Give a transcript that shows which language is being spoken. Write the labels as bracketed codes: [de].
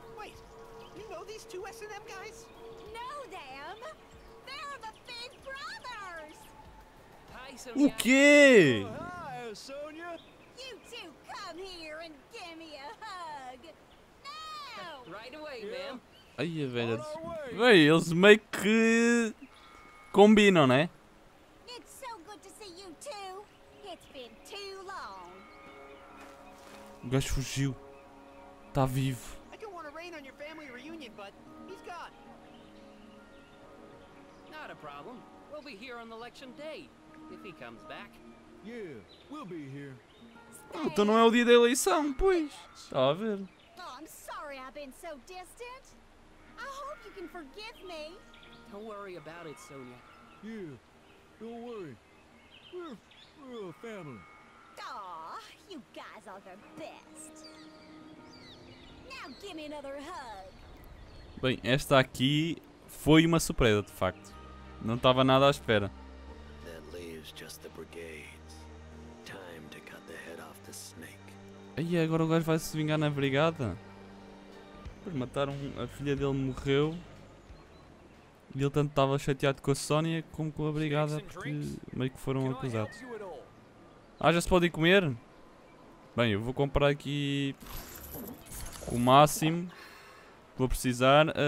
[en] Wait, you know these two S&M guys? Know them? They're the big brothers. Hi, [pt] Sonia. O quê? [en] Oh, hi, Sonia. You two come here and give me a hug. Now. Right away, yeah. Ma'am. [pt] Ai, velho. Véi, eles meio que combinam, né? [en] It's so good to see you too. It's been too long. [pt] O gajo fugiu. Está vivo. [en] I don't want to rain on your family reunion, but he's gone. Not a problem. We'll be here on election day if he comes back. Yeah, we'll be here. [pt] Então não é o dia da eleição, pois. Está a ver. [en] Oh, I'm sorry I've been so distant. I hope you can forgive me. Don't worry about it, Sonia. Yeah, don't worry. We're a family. Aw, you guys are the best. Now give me another hug. [pt] Bem, esta aqui foi uma surpresa, de facto. Não estava nada à espera. [en] That leaves just the brigades. Time to cut the head off the snake. [pt] Aí agora o gajo vai se vingar na brigada. Pois mataram a filha dele, morreu. E ele tanto estava chateado com a Sonia como com a brigada, porque meio que foram acusados. Ah, já se pode ir comer? Bem, eu vou comprar aqui o máximo. Vou precisar.